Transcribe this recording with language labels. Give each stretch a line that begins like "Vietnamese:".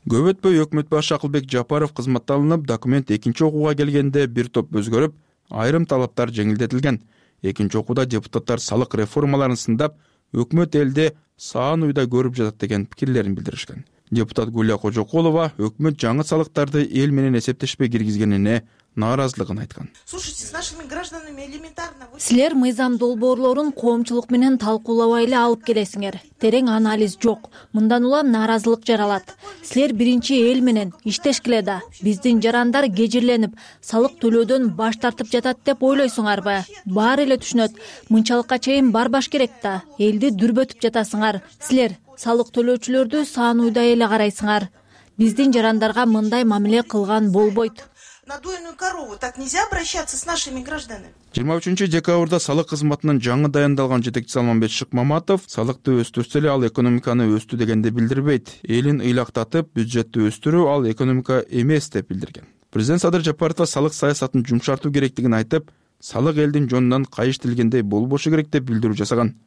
Kyrgyz: Көп өтпөй өкмөт башчы Акылбек Жапаров кызматтан алынып, документ экинчи окууга келгенде бир топ өзгөрүп, айрым талаптар жеңилдетилген. Экинчи окууда депутаттар салык реформаларын сындап, өкмөт элди саан уйда көрүп жатат деген пикирлерин билдиришкен. Депутат Гүлия Кожокулова өкмөт жаңы салыктарды эл менен эсептешпей киргизгенине нааразылыгын айткан.
Russian: Слушайте, с нашими гражданами элементарно.
Kyrgyz: Силер мыйзам долбоорлорун коомчулук менен талкуулабай эле алып келесиңер. Терең анализ жок. Мындан улам нааразылык жаралат. Силер биринчи эл менен иштешкиле да. Биздин жарандар кежирленип, салык төлөөдөн баш тартып жатат деп ойлойсуңарбы? Баары эле түшүнөт. Мынчалыкка чейин барбаш керек да. Элди дүрбөтүп жатасыңар. Силер салык төлөөчүлөрдү саан уйда эле карайсыңар. Биздин жарандарга мындай мамиле кылган болбойт.
Russian: На дуйную корову так нельзя обращаться с нашими гражданами.
Kyrgyz: 23 декабрда салык кызматынын жаңы даярдалган жетекчиси Алмамбет Шыкмаматов салыкты өстүрсө эле ал экономиканы өстү дегенде билдирбейт. Элин ыйлактатып бюджетти өстүрүү ал экономика эмес деп билдирген. Президент Садыр Жапаров салык саясатын жумшартуу керектигин айтып, салык элдин жонунан кайыш тилгендей болбошу керек деп билдирүү жасаган.